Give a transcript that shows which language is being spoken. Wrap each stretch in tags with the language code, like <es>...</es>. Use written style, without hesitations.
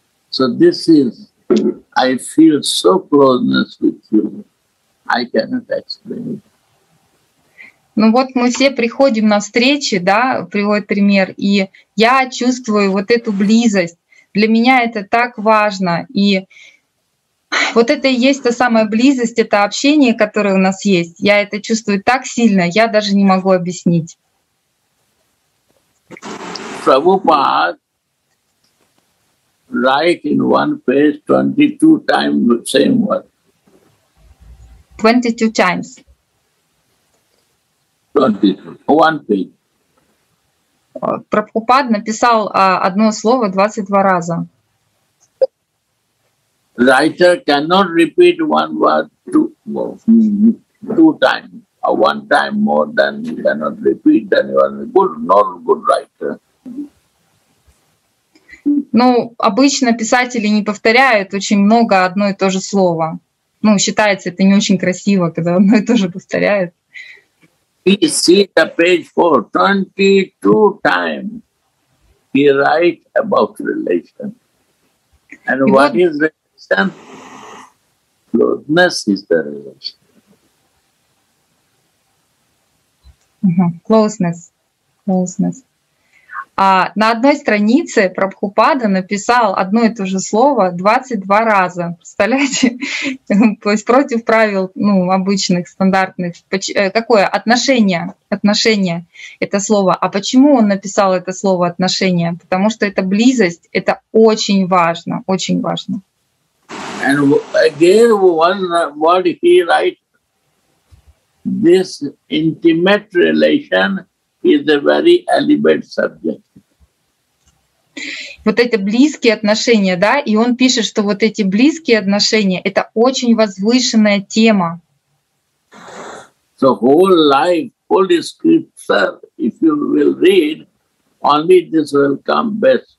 <en>So this is, I feel so closeness with you. I cannot explain it.</en> <ru>Ну вот мы все приходим на встречи, да, приводит пример, и я чувствую вот эту близость. Для меня это так важно. И вот это и есть та самая близость, это общение, которое у нас есть. Я это чувствую так сильно, я даже не могу объяснить.</ru> <en>Prabhupada write in one page 22 times the same word. 22 times. 22. One page.</en> <ru>Прабхупад написал одно слово 22 раза.</ru> <en>Writer cannot repeat one word two times. One time more than you cannot repeat, then you are not a good writer.</en> <ru>Ну, обычно писатели не повторяют очень много одно и то же слово. Ну, считается, это не очень красиво, когда одно и то же повторяют.</ru> <en>He sees the page for 22 times. He writes about relation. And и what is relation? Closeness is the relation. Closeness.</en> <ru>На одной странице Прабхупада написал одно и то же слово 22 раза. Представляете? То есть против правил, ну, обычных, стандартных. Какое? Отношение. Отношение — это слово. А почему он написал это слово «отношение»? Потому что это близость, это очень важно, очень важно.</ru> <en>And again, what he writes, this intimate relation is a very elevated subject.</en> <ru>Вот это близкие отношения, да, и он пишет, что вот эти близкие отношения — это очень возвышенная тема.</ru> <en>So whole life, holy scripture, if you will read, only this will come best.</en>